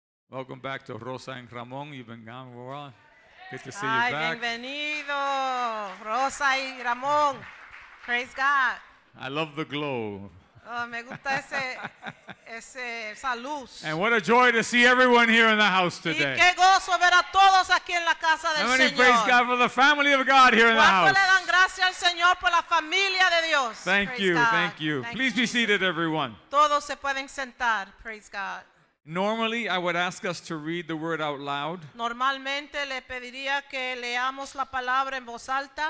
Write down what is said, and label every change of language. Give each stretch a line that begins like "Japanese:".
English: Welcome back to Rosa and Ramon. You've been gone for a while. Good to see you back.
Spanish: Bienvenido, Rosa y Ramon.
English: Praise God. I love the glow.
Spanish: Me gusta esa luz.
English: And what a joy to see everyone here in the house today.
Spanish: Y qué gozo ver a todos aquí en la casa del Señor.
English: How many praise God for the family of God here in the house.
Spanish: ¿Cuánto le dan gracias al Señor por la familia de Dios?
English: Thank you, thank you. Please be seated, everyone.
Spanish: Todos se pueden sentar.
English: Praise God. Normally, I would ask us to read the word out loud.
Spanish: Normalmente le pediría que leamos la palabra en voz alta.